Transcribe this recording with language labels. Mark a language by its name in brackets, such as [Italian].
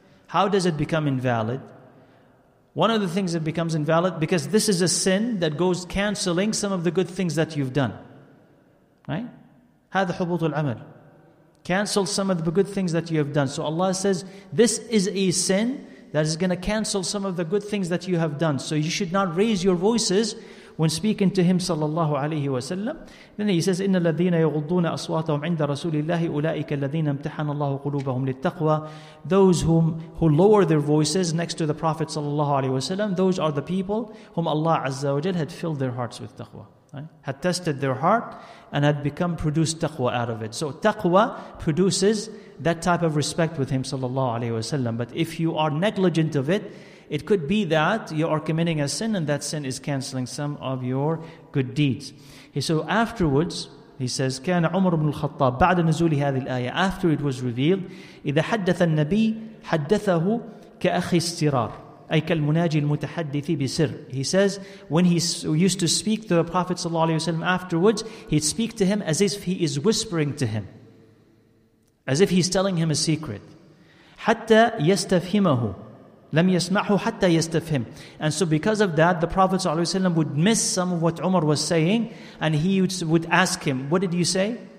[English] How does it become invalid? One of the things that becomes invalid, because this is a sin that goes canceling some of the good things that you've done. Right? [Arabic] هذا حبوط العمل. [English] Cancel some of the good things that you have done. So Allah says, this is a sin that is going to cancel some of the good things that you have done. So you should not raise your voices when speaking to him sallallahu alayhi wa sallam, then he says, [Arabic] إِنَّ الَّذِينَ يَغُضُّونَ أَصْوَاتَهُمْ عِنْدَ رَسُولِ اللَّهِ أُولَٰئِكَ الَّذِينَ امْتَحَنَ اللَّهُ قُلُوبَهُمْ لِلتَّقْوَى. [English] Those who lower their voices next to the Prophet sallallahu alayhi wa sallam, those are the people whom Allah azza wa jal had filled their hearts with taqwa, right? Had tested their heart and had become produced taqwa out of it. So taqwa produces that type of respect with him sallallahu alayhi wa sallam. But if you are negligent of it, it could be that you are committing a sin and that sin is canceling some of your good deeds. So afterwards, he says, [Arabic] كان عمر بن الخطاب بعد نزول هذه الآية, [English] after it was revealed, [Arabic] إذا حدث النبي حدثه كأخي استرار أي كالمناجي المتحدث بسر. [English] He says, when he used to speak to the Prophet sallallahu alayhi wa sallam afterwards, he'd speak to him as if he is whispering to him, as if he's telling him a secret. [Arabic] حَتَّى يَسْتَفْهِمَهُ لَمْ يَسْمَحُ حَتَّى يَسْتَفْهِمْ. [English] And so because of that, the Prophet ﷺ would miss some of what Umar was saying, and he would ask him, what did you say?